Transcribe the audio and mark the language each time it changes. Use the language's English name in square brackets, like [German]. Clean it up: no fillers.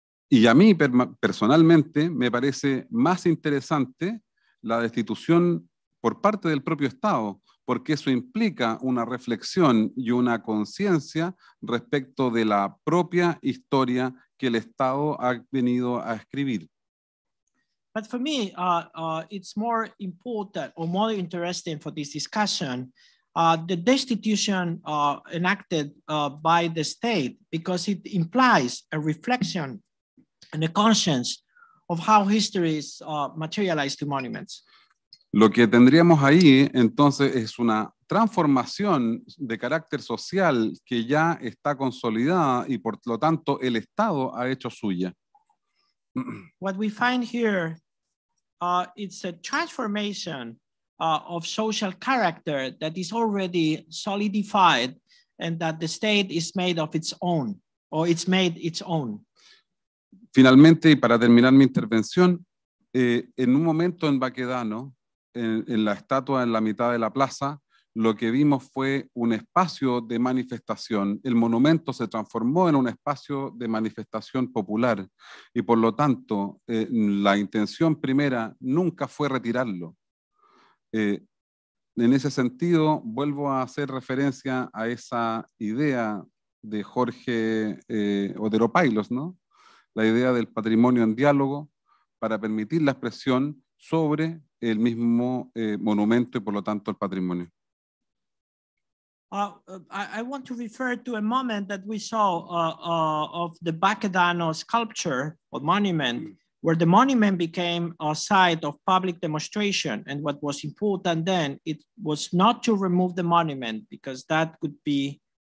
[Spanish] Y a mí personalmente me parece más interesante la destitución por parte del propio Estado, porque eso implica una reflexión y una conciencia respecto de la propia historia que el Estado ha venido a escribir. [English] But for me, it's more important or more interesting for this discussion, the destitution enacted by the state, because it implies a reflection and a conscience of how history is materialized to monuments. [Spanish] Lo que tendríamos ahí, entonces, es una transformación de carácter social que ya está consolidada y, por lo tanto, el Estado ha hecho suya. [English] What we find here, it's a transformation of social character that is already solidified and that the state is made of its own, or it's made its own. [Spanish] Finalmente, y para terminar mi intervención, en un momento en Baquedano, en la estatua en la mitad de la plaza, lo que vimos fue un espacio de manifestación. El monumento se transformó en un espacio de manifestación popular y, por lo tanto, la intención primera nunca fue retirarlo. En ese sentido, vuelvo a hacer referencia a esa idea de Jorge Otero Pailos, ¿no? La idea del patrimonio en diálogo para permitir la expresión sobre el mismo monumento y, por lo tanto, el patrimonio. [English] I want to refer to a moment that we saw of the Baquedano sculpture or monument, where the monument became a site of public demonstration. And what was important then, it was not to remove the monument, because that could be...